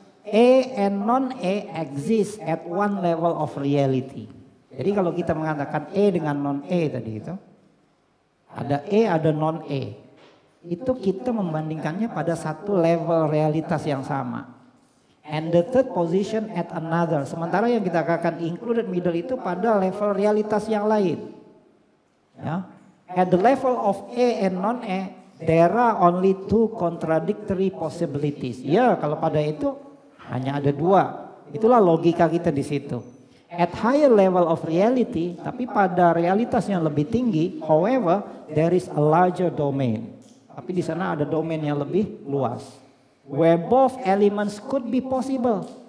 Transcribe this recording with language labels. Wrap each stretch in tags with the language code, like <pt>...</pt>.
<en>A and non-A exist at one level of reality.</en> <id>Jadi kalau kita mengatakan A dengan non-A tadi itu. Ada A, ada non-A. Itu kita membandingkannya pada satu level realitas yang sama.</id> <en>And the third position at another.</en> <id>Sementara yang kita katakan included middle itu pada level realitas yang lain. Ya.</id> <en>At the level of A and non-A, there are only two contradictory possibilities.</en> <id>Ya, kalau pada itu hanya ada dua. Itulah logika kita di situ.</id> <en>At higher level of reality,</en> <id>tapi pada realitas yang lebih tinggi,</id> <en>however, there is a larger domain.</en> <id>Tapi di sana ada domain yang lebih luas.</id> <en>Where both elements could be possible.</en>